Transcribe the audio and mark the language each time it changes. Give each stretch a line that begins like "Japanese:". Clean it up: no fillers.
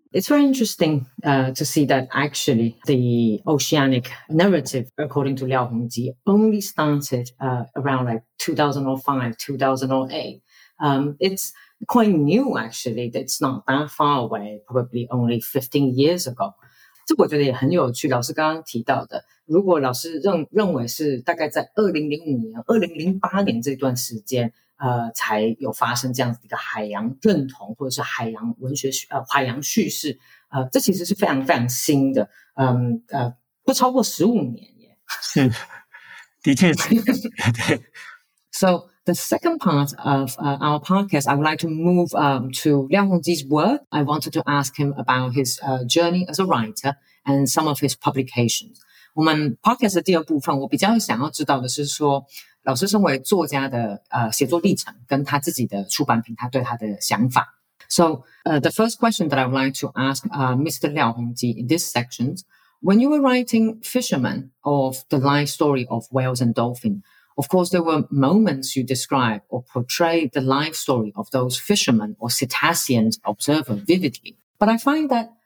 English: It's very interesting to see that actually the oceanic narrative, according to Liao Hongji, only started around like 2005, 2008. It's quite new, actually. It's not that far away, probably only 15 years ago.
Chinese: 这我觉得也很有趣，老师刚刚提到的，如果老师认为是大概在2005年、2008年这段时间，才有发生这样子一个海洋认同，或者是海洋文学，海洋叙事，这其实是非常非常新的，不超过15年耶。是，的确是。对。
English: So,the second part of our podcast, I would like to move to Liang Hongji's work. I wanted to ask him about his journey as a writer and some of his publications.
Chinese: 我们 podcast 的第二部分，我比较想要知道的是说，老师身为作家的写作历程，跟他自己的出版品，他对他的想法。
English: So the first question that I would like to ask Mr. Liang Hongji in this section, when you were writing Fisherman of the Life Story of Whales and Dolphins,Of course, there were moments you describe or portray the life story of those fishermen or cetacean observers vividly. But I find that